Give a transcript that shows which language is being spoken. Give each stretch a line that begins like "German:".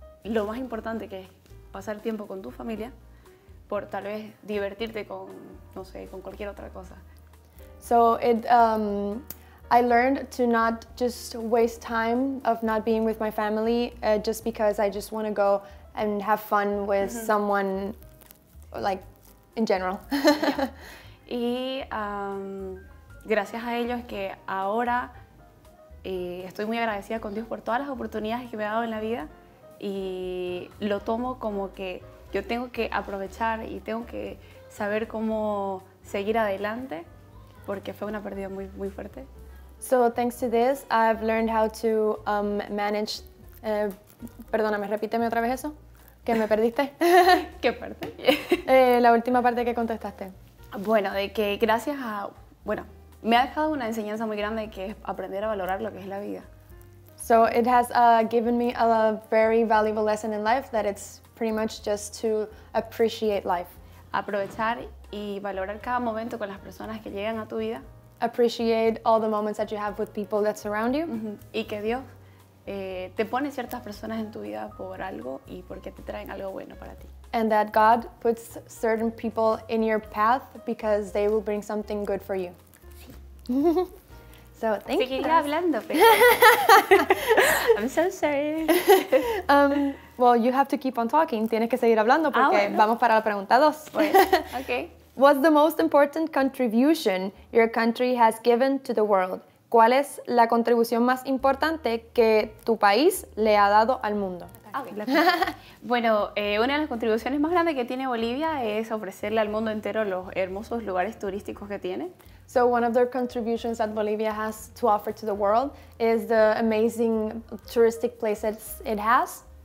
Spanish: Lo más importante que es pasar tiempo con tu familia por tal vez divertirte con, no sé, con cualquier otra cosa.
English: So it, I learned to not just waste time of not being with my family just because I just want to go and have fun with someone, like, in general.
Spanish: Y gracias a ello es que ahora estoy muy agradecida con Dios por todas las oportunidades que me ha dado en la vida. Y lo tomo como que yo tengo que aprovechar y tengo que saber cómo seguir adelante porque fue una pérdida muy muy fuerte.
English: So thanks to this, I've learned how to manage.
Spanish: Perdóname, repíteme otra vez eso. ¿Qué me perdiste? ¿Qué parte? la última parte que contestaste. Bueno, de que gracias a bueno, me ha dejado una enseñanza muy grande que es aprender a valorar lo que es la vida.
English: So it has given me a very valuable lesson in life that it's pretty much just to appreciate life.
Spanish: Aprovechar y valorar cada momento con las personas que llegan a tu vida.
English: Appreciate all the moments that you have with people that surround you.
Spanish: Y que Dios te pone ciertas personas en tu vida por algo y porque te traen algo bueno para ti.
English: And that God puts certain people in your path because they will bring something good for you.
Spanish: Sí.
English: So thank you.
Spanish: Seguiré hablando, pero...
English: I'm so sorry. Well, you have to keep on talking.
Spanish: Tienes que seguir hablando porque bueno. Vamos para la pregunta 2. Pues, okay.
English: What's the most important contribution your country has given to the world?
Spanish: ¿Cuál es la contribución más importante que tu país le ha dado al mundo?
English: Okay.
Spanish: Bueno, una de las contribuciones más grandes que tiene Bolivia es ofrecerle al mundo entero los hermosos lugares turísticos que tiene.
English: So one of their contributions that Bolivia has to offer to the world is the amazing touristic places it has.